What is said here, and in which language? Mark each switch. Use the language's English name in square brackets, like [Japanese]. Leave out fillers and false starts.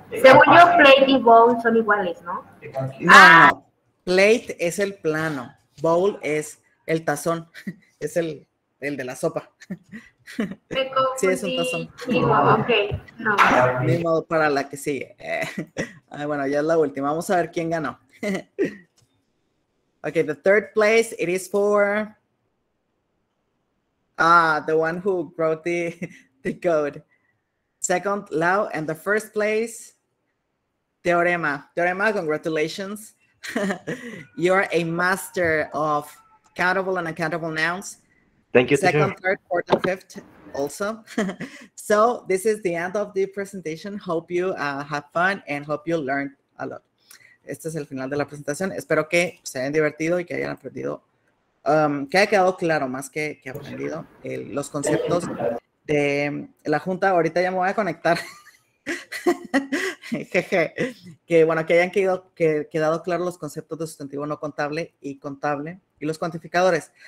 [Spanish] Según yo, plate y bowl son iguales, ¿no? No, no. Plate es el plano. Bowl es el tazón. Es el de la sopa. Sí, es un tazón. Okay. No. Ni modo, para la que sigue. Bueno, ya es la última. Vamos a ver quién ganó. [English] Okay, the third place, it is for the one who wrote the code. Second, Lau, and the first place, Teorema. Teorema, congratulations. You're a master of countable and uncountable nouns. Thank you. Second, third, fourth, and fifth also. So this is the end of the presentation. Hope you have fun and hope you learned a lot. [Spanish] Este es el final de la presentación. Espero que se hayan divertido y que hayan aprendido, que haya quedado claro más que aprendido los conceptos de la junta. Ahorita ya me voy a conectar. Jeje. Que bueno, que hayan quedado claro los conceptos de sustantivo no contable y contable y los cuantificadores.